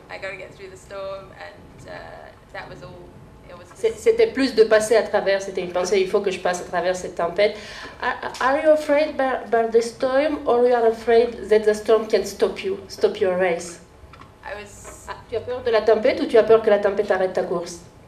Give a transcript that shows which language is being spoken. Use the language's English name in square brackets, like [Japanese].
[English] I got to get through the storm, and that was all. [French] C'était plus de passer à travers. C'était une pensée. Il faut que je passe à travers cette tempête. [English] Are you afraid by the storm, or you are afraid that the storm can stop your race? I was. [French] Tu as peur de la tempête, ou tu as peur que la tempête arrête ta course?